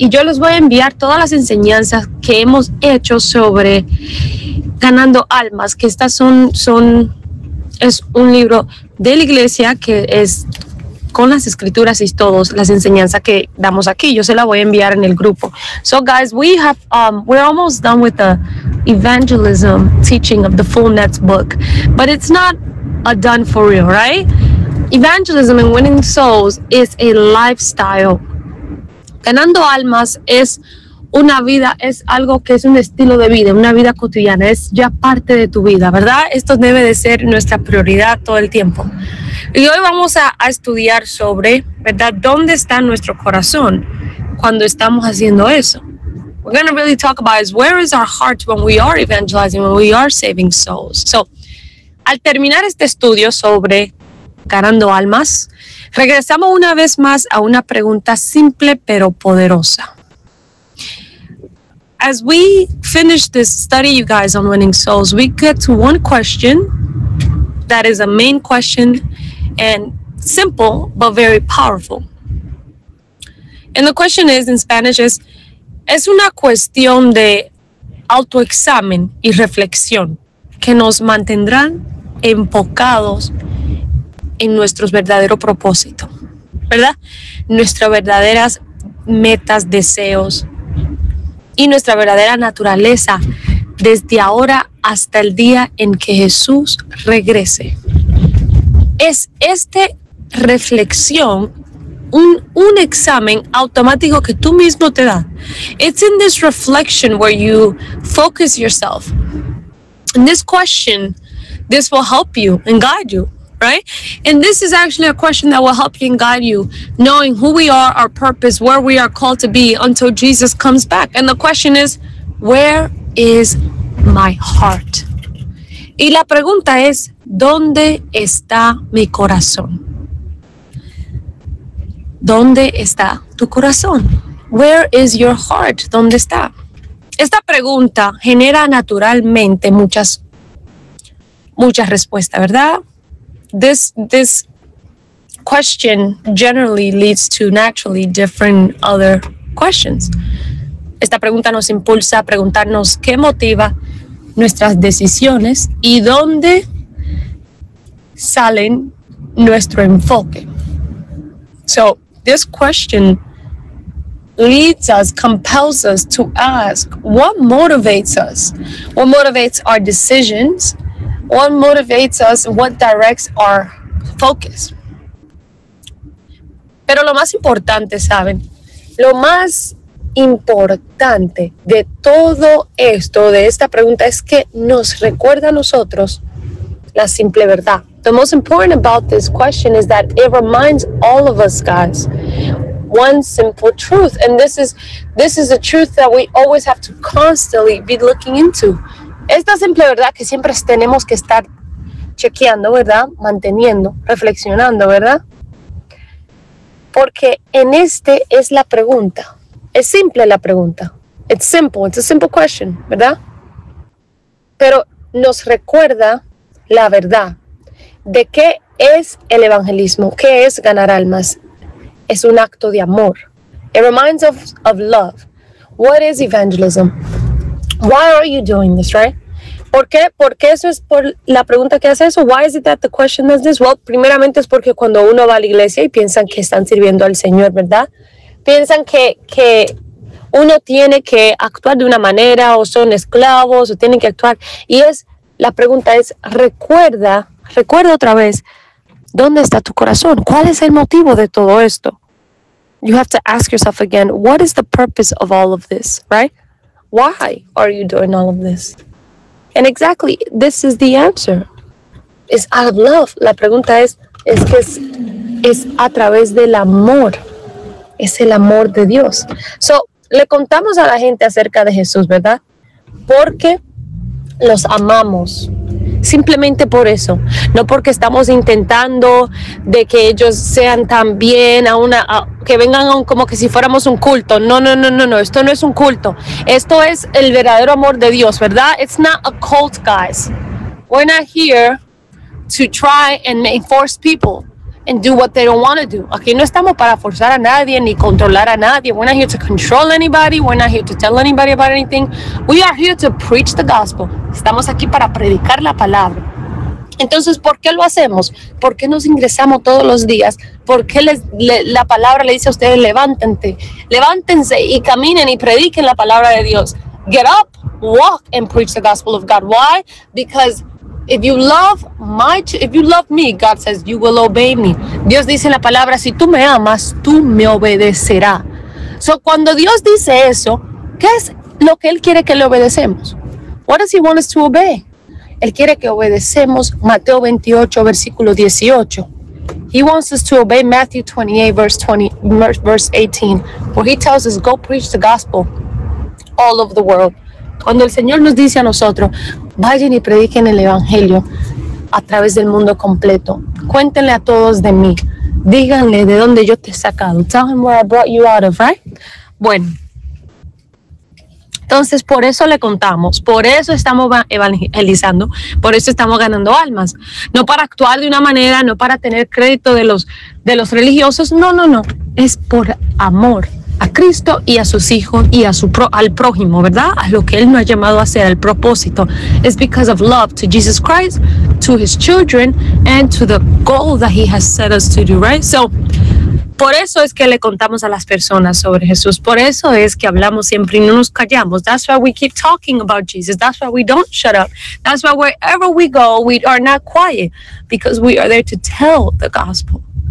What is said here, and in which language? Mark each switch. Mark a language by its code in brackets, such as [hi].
[es] Y yo les voy a enviar todas las enseñanzas que hemos hecho sobre ganando almas, que estas es un libro de la iglesia que es con las escrituras y todas las enseñanzas que damos aquí. Yo se la voy a enviar en el grupo. [en] So guys, we're almost done with the evangelism teaching of the Full Nets book, but it's not a done for real, right? Evangelism and winning souls is a lifestyle. [es] Ganando almas es una vida, es algo que es un estilo de vida, una vida cotidiana, es ya parte de tu vida, ¿verdad? Esto debe de ser nuestra prioridad todo el tiempo. Y hoy vamos a estudiar sobre, ¿verdad? ¿Dónde está nuestro corazón cuando estamos haciendo eso? [en] We're going to really talk about is where is our heart when we are evangelizing, when we are saving souls. [es] So, al terminar este estudio sobre ganando almas, regresamos una vez más a una pregunta simple pero poderosa. [en] As we finish this study, you guys, on winning souls, we get to one question that is a main question and simple but very powerful. And the question is, in Spanish, [es] es una cuestión de autoexamen y reflexión que nos mantendrán enfocados en nuestro verdadero propósito, ¿verdad? Nuestras verdaderas metas, deseos y nuestra verdadera naturaleza desde ahora hasta el día en que Jesús regrese. Es esta reflexión, un examen automático que tú mismo te das. [en] It's in this reflection where you focus yourself. And this question, this will help you and guide you. Right? And this is actually a question that will help you and guide you, knowing who we are, our purpose, where we are called to be until Jesus comes back. And the question is, where is my heart? [es] Y la pregunta es, ¿dónde está mi corazón? ¿Dónde está tu corazón? [en] Where is your heart? [es] ¿Dónde está? Esta pregunta genera naturalmente muchas respuestas, ¿verdad? [en] This question generally leads to naturally different other questions. [es] Esta pregunta nos impulsa a preguntarnos qué motiva nuestras decisiones y dónde salen nuestro enfoque. [en] So this question leads us, compels us to ask, what motivates us? What motivates our decisions? What motivates us? What directs our focus? [es] Pero lo más importante, ¿saben? Lo más importante de todo esto, de esta pregunta, es que nos recuerda a nosotros la simple verdad. [en] The most important about this question is that it reminds all of us, guys, one simple truth. And this is a truth that we always have to constantly be looking into. [es] Esta simple verdad que siempre tenemos que estar chequeando, ¿verdad? Manteniendo, reflexionando, ¿verdad? Porque en este es la pregunta. Es simple la pregunta. [en] It's simple. It's a simple question, ¿verdad? [es] Pero nos recuerda la verdad. ¿De qué es el evangelismo? ¿Qué es ganar almas? Es un acto de amor. [en] It reminds of love. What is evangelism? Why are you doing this, right? [es] ¿Por qué? Porque eso es por la pregunta que hace eso. [en] Why is it that the question does this? [es] Well, primeramente es porque cuando uno va a la iglesia y piensan que están sirviendo al Señor, ¿verdad? Piensan que uno tiene que actuar de una manera o son esclavos o tienen que actuar. Y es, la pregunta es, recuerda otra vez, ¿dónde está tu corazón? ¿Cuál es el motivo de todo esto? [en] You have to ask yourself again, what is the purpose of all of this, right? Why are you doing all of this? And exactly, this is the answer. It's out of love. [es] La pregunta es a través del amor. Es el amor de Dios. So, le contamos a la gente acerca de Jesús, ¿verdad? Porque los amamos. Simplemente por eso. No porque estamos intentando de que ellos sean también que vengan como que si fuéramos un culto. No. Esto no es un culto. Esto es el verdadero amor de Dios, ¿verdad? [en] It's not a cult, guys. We're not here to try and force people and do what they don't want to do. [es] Aquí no estamos para forzar a nadie ni controlar a nadie. [en] We're not here to control anybody. We're not here to tell anybody about anything. We are here to preach the gospel. [es] Estamos aquí para predicar la palabra. Entonces, ¿por qué lo hacemos? ¿Por qué nos ingresamos todos los días? ¿Por qué la palabra le dice a ustedes, levántense y caminen y prediquen la palabra de Dios? [en] Get up, walk, and preach the gospel of God. Why? Because if you love me, God says, you will obey me. [es] Dios dice en la palabra, si tú me amas, tú me obedecerás. So, cuando Dios dice eso, ¿qué es lo que Él quiere que le obedecemos? [en] What does he want us to obey? [es] Él quiere que obedecemos Mateo 28, versículo 18. [en] He wants us to obey Matthew 28, verse 18, where he tells us, go preach the gospel all over the world. [es] Cuando el Señor nos dice a nosotros, vayan y prediquen el evangelio a través del mundo completo. Cuéntenle a todos de mí. Díganle de dónde yo te he sacado. [en] Tell him where I brought you out of, right? [es] Bueno. Entonces, por eso le contamos, por eso estamos evangelizando, por eso estamos ganando almas. No para actuar de una manera, no para tener crédito de los religiosos, no. Es por amor a Cristo y a sus hijos y al prójimo, ¿verdad? A lo que Él nos ha llamado a hacer, al propósito. [en] It's because of love to Jesus Christ, to His children, and to the goal that He has set us to do, right? [es] So, por eso es que le contamos a las personas sobre Jesús. Por eso es que hablamos siempre y no nos callamos. [en] That's why we keep talking about Jesus. That's why we don't shut up. That's why wherever we go, we are not quiet. Because we are there to tell the gospel.